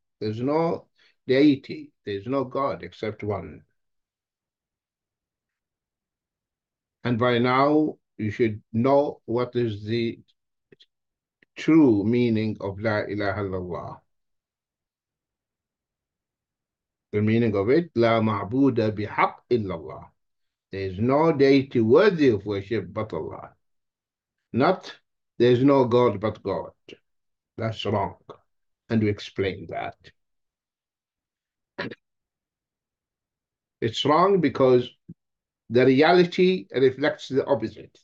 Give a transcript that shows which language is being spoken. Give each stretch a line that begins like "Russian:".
English: There's no deity, there's no God except one. And by now, you should know what is the true meaning of La ilaha illallah. The meaning of it,
Arabic: لا معبود بحق إلا الله.
English: There is no deity worthy of worship but Allah. Not, there is no God but God. That's wrong. And we explain that. It's wrong because the reality reflects the opposite.